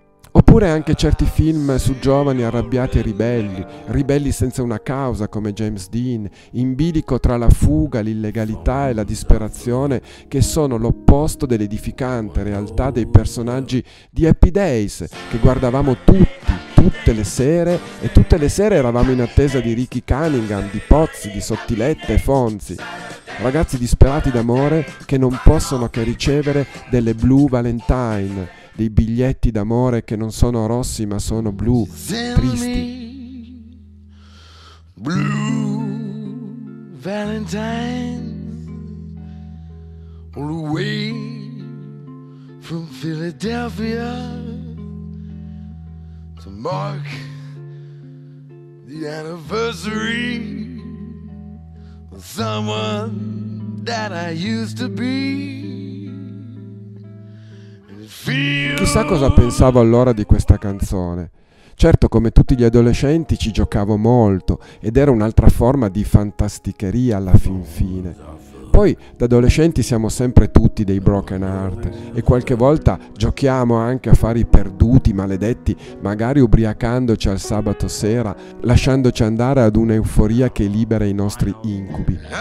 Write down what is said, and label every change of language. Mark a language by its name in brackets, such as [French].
[Italian] Oppure anche certi film su giovani arrabbiati e ribelli, ribelli senza una causa come James Dean, in bilico tra la fuga, l'illegalità e la disperazione, che sono l'opposto dell'edificante realtà dei personaggi di Happy Days, che guardavamo tutti, tutte le sere, e tutte le sere eravamo in attesa di Ricky Cunningham, di Pozzi, di Sottiletta e Fonzi, ragazzi disperati d'amore che non possono che ricevere delle Blue Valentine, dei biglietti d'amore che non sono rossi ma sono blu, tristi. [English] Blue Valentine, all the way from Philadelphia to mark the anniversary of someone that I used to be. [Italian] Chissà cosa pensavo allora di questa canzone. Certo, come tutti gli adolescenti ci giocavo molto ed era un'altra forma di fantasticheria alla fin fine. Poi, da adolescenti siamo sempre tutti dei broken heart e qualche volta giochiamo anche a fare i perduti, maledetti, magari ubriacandoci al sabato sera, lasciandoci andare ad un'euforia che libera i nostri incubi.